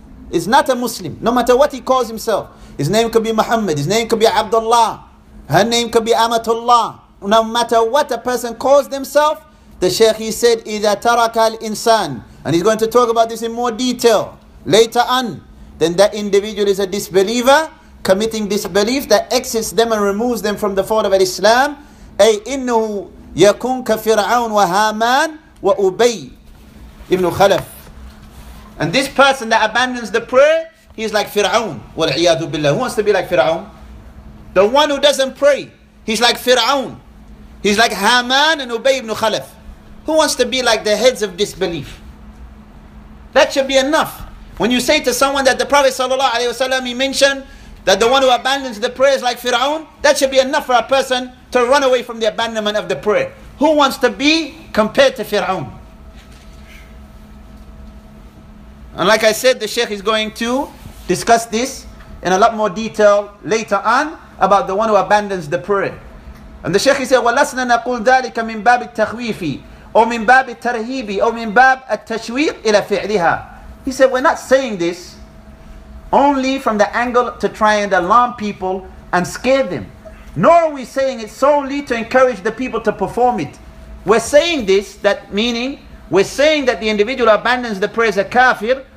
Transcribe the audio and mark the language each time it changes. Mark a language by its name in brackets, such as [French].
[English] Is not a Muslim, no matter what he calls himself. His name could be Muhammad, his name could be Abdullah, her name could be Amatullah. No matter what a person calls themselves, the Shaykh, he said, [Arabic] إِذَا تَرَكَ الْإِنسَانِ, [English] and he's going to talk about this in more detail later on, then that individual is a disbeliever, committing disbelief that exits them and removes them from the fold of Islam. [Arabic] أي إِنُّهُ يَكُنْ كَفِرْعَوْنَ وَهَامَانَ وَأُبَيِّ Ibn Khalaf. [English] And this person that abandons the prayer, he's like Fir'aun. [Arabic] وَالْعِيَادُ بِاللَّهِ. [English] Who wants to be like Fir'aun? The one who doesn't pray, he's like Fir'aun. He's like Haman and Ubay ibn Khalaf. Who wants to be like the heads of disbelief? That should be enough. When you say to someone that the Prophet sallallahu alaihi wasallam, he mentioned that the one who abandons the prayer is like Fir'aun, that should be enough for a person to run away from the abandonment of the prayer. Who wants to be compared to Fir'aun? And like I said, the Shaykh is going to discuss this in a lot more detail later on about the one who abandons the prayer. And the Shaykh, he said, [Arabic] وَلَسْنَا نَقُولْ ذَلِكَ مِنْ بَابِ التَّخْوِيفِ أَوْ مِنْ بَابِ التَّرْهِيبِ أَوْ مِنْ بَابِ التَّشْوِيقِ إِلَى فِعْلِهَا. [English] He said, we're not saying this only from the angle to try and alarm people and scare them. Nor are we saying it solely to encourage the people to perform it. We're saying this, that meaning, we're saying that the individual abandons the prayer is a kafir.